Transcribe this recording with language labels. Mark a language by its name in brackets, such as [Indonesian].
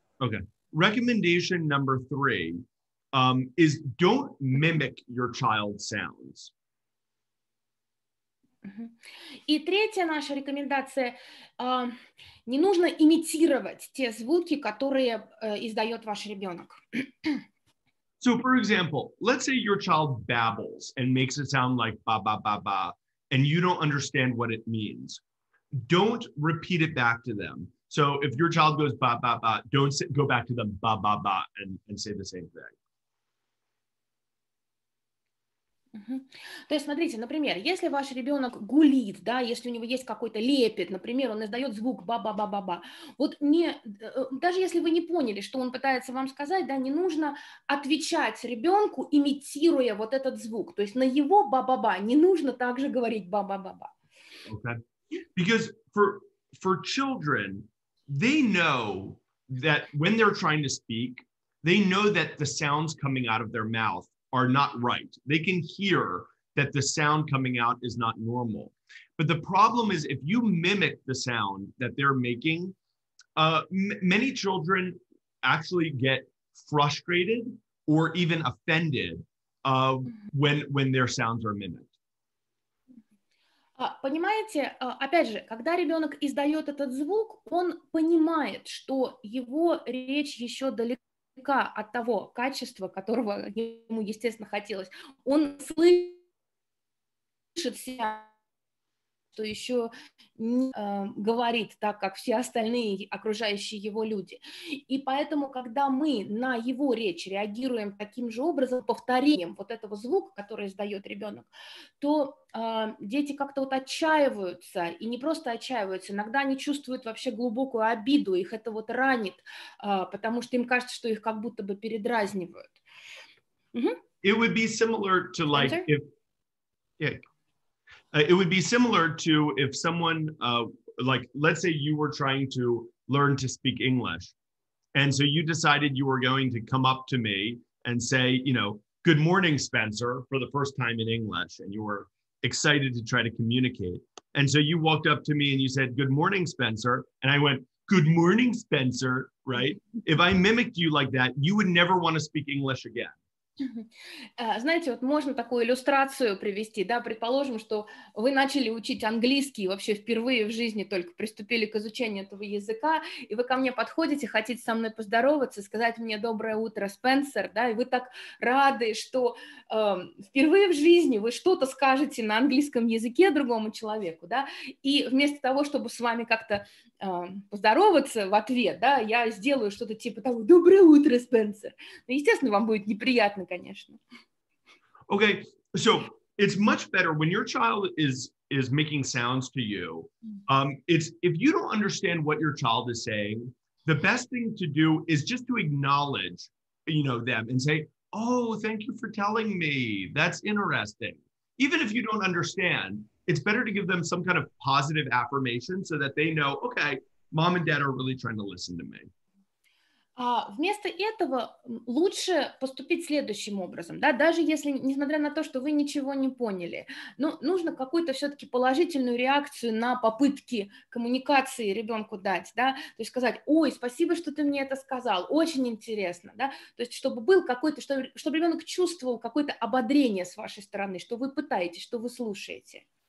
[English] Okay. Recommendation number three. Is don't mimic your child's sounds. [Russian] И третья наша рекомендация – не нужно имитировать те звуки, которые издает ваш ребенок. [English] So, for example, let's say your child babbles and makes it sound like ba-ba-ba-ba, and you don't understand what it means. Don't repeat it back to them. So if your child goes ba-ba-ba, don't go back to them ba-ba-ba and say the same thing. [Russian] То есть, смотрите, например, если ваш ребенок гулит, да, если у него есть какой-то лепет, например, он издает звук ба-ба-ба-ба-ба, вот не, даже если вы не поняли, что он пытается вам сказать, да, не нужно отвечать ребенку, имитируя вот этот звук. То есть на его ба-ба-ба не нужно также говорить ба-ба-ба-ба. [English] Okay. Because for children, they know that when they're trying to speak, they know that the sounds coming out of their mouth are not right. They can hear that the sound coming out is not normal. But the problem is if you mimic the sound that they're making, many children actually get frustrated or even offended when their sounds are mimicked. [Russian] Понимаете, опять же, когда ребенок издает этот звук, он понимает, что его речь еще далека от того качества, которого ему, естественно, хотелось. Он слышит себя, что еще не говорит так, как все остальные окружающие его люди. И поэтому, когда мы на его речь реагируем таким же образом, повторением вот этого звука, который издает ребенок, то дети как-то вот отчаиваются, и не просто отчаиваются, иногда они чувствуют вообще глубокую обиду, их это вот ранит, потому что им кажется, что их как будто бы передразнивают. [English] It would be similar to like... If... Yeah. It would be similar to if someone, like, let's say you were trying to learn to speak English. And so you decided you were going to come up to me and say, you know, good morning, Spencer, for the first time in English. And you were excited to try to communicate. And so you walked up to me and you said, good morning, Spencer. And I went, good morning, Spencer, right? If I mimicked you like that, you would never want to speak English again. [Russian] Знаете, вот можно такую иллюстрацию привести, да, предположим, что вы начали учить английский, вообще впервые в жизни только приступили к изучению этого языка, и вы ко мне подходите, хотите со мной поздороваться, сказать мне доброе утро, Спенсер, да, и вы так рады, что впервые в жизни вы что-то скажете на английском языке другому человеку, да, и вместо того, чтобы с вами как-то поздороваться в ответ, да, я сделаю что-то типа того, доброе утро, Спенсер. Ну, естественно, вам будет неприятно, конечно. [English] Okay, so it's much better when your child is making sounds to you. It's if you don't understand what your child is saying, the best thing to do is just to acknowledge, you know, them and say, oh, thank you for telling me. That's interesting. Even if you don't understand, it's better to give them some kind of positive affirmation so that they know, okay, mom and dad are really trying to listen to me. [Russian] Вместо этого лучше поступить следующим образом, да, даже если, несмотря на то, что вы ничего не поняли, ну, нужно какую-то все-таки положительную реакцию на попытки коммуникации ребенку дать, да, то есть сказать, ой, спасибо, что ты мне это сказал, очень интересно, да, то есть чтобы был какой-то, чтобы ребенок чувствовал какое-то ободрение с вашей стороны, что вы пытаетесь, что вы слушаете.